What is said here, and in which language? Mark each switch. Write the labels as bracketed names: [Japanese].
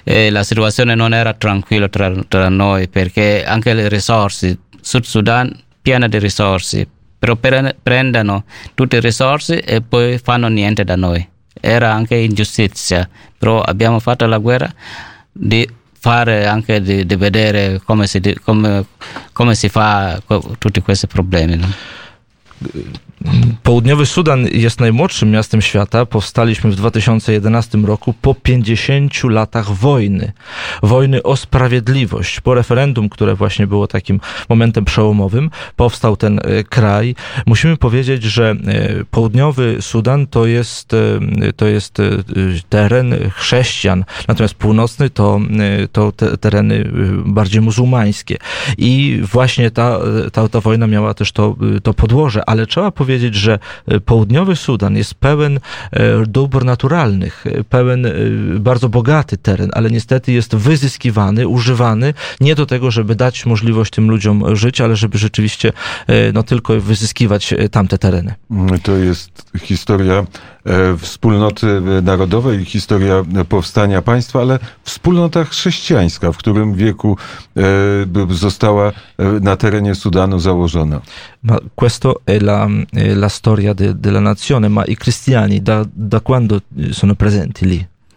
[Italian] la situazione non era tranquilla tra noi, perché anche le risorse, Sud Sudan piena di risorse, però prendono tutte le risorse e poi fanno niente da noi. Era anche ingiustizia, però abbiamo fatto la guerra di fare anche di vedere come si fa tutti questi problemi. No? [Polish] Południowy Sudan jest najmłodszym miastem świata. Powstaliśmy w 2011 roku po 50 latach wojny. Wojny o sprawiedliwość. Po referendum, które właśnie było takim momentem przełomowym, powstał ten kraj. Musimy powiedzieć, że południowy Sudan to jest teren chrześcijan. Natomiast północny to tereny bardziej muzułmańskie. I właśnie ta wojna miała też to podłoże. Ale trzeba powiedzieć, że południowy Sudan jest pełen dóbr naturalnych, pełen, bardzo bogaty teren, ale niestety jest wyzyskiwany, używany nie do tego, żeby dać możliwość tym ludziom żyć, ale żeby rzeczywiście tylko wyzyskiwać tamte tereny. To jest historia wspólnoty narodowej, historia powstania państwa, ale wspólnota chrześcijańska, w którym wieku została na terenie Sudanu założona. [Italian] Ma questo è la storia della nazione, ma i cristiani da quando sono presenti lì?